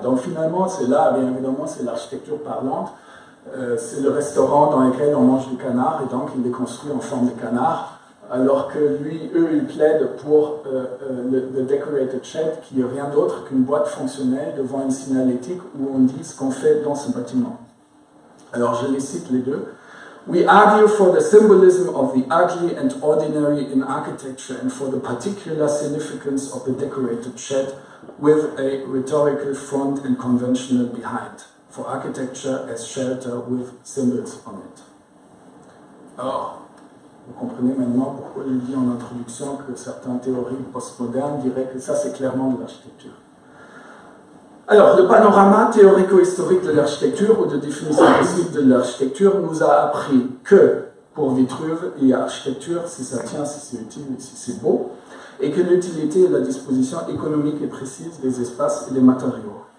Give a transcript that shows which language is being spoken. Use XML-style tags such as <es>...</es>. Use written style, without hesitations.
<fr>Donc finalement, c'est là, bien évidemment, c'est l'architecture parlante, c'est le restaurant dans lequel on mange du canard, et donc il est construit en forme de canard, alors que lui, eux, ils plaident pour le decorated shed, qui n'est rien d'autre qu'une boîte fonctionnelle devant une signalétique où on dit ce qu'on fait dans ce bâtiment. Alors je les cite les deux.</fr> <en>We argue for the symbolism of the ugly and ordinary in architecture and for the particular significance of the decorated shed with a rhetorical front and conventional behind. For architecture as shelter with symbols on it.</en> <fr>Alors, vous comprenez maintenant pourquoi je dis en introduction que certaines théories postmodernes diraient que ça c'est clairement de l'architecture. Alors, le panorama théorico-historique de l'architecture ou de définition possible de l'architecture nous a appris que, pour Vitruve, il y a architecture, si ça tient, si c'est utile, si c'est beau, et que l'utilité et la disposition économique et précise des espaces et des matériaux.</fr>